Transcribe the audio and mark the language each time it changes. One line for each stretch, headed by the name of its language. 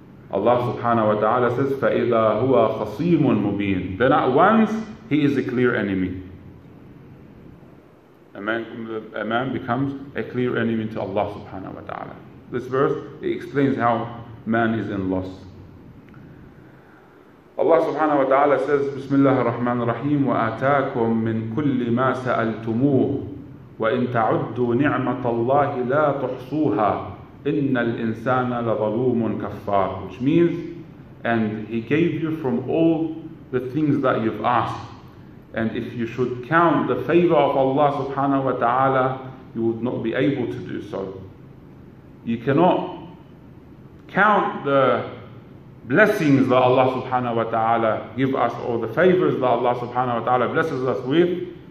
Arabic: Allah subhanahu wa ta'ala says, فَإِذَا هُوَ خَصِيمٌ مُبِينٌ.
English: Then at once He is a clear enemy. A man becomes a clear enemy to Allah subhanahu wa ta'ala. This verse, it explains how man is in loss.
Arabic: Allah subhanahu wa ta'ala says, Bismillah ar-Rahman ar-Rahim, وَآتَاكُمْ مِنْ كُلِّ مَا سَأَلْتُمُوهُ وَإِنْ تَعُدُّوا نِعْمَةَ اللَّهِ لَا تُحْصُوهَا إِنَّ الْإِنسَانَ لَظَلُومٌ كَفَّارٌ.
English: Which means, and He gave you from all the things that you've asked. And if you should count the favor of Allah subhanahu wa ta'ala, you would not be able to do so. You cannot count the blessings that Allah subhanahu wa ta'ala give us, or the favors that Allah subhanahu wa ta'ala blesses us with.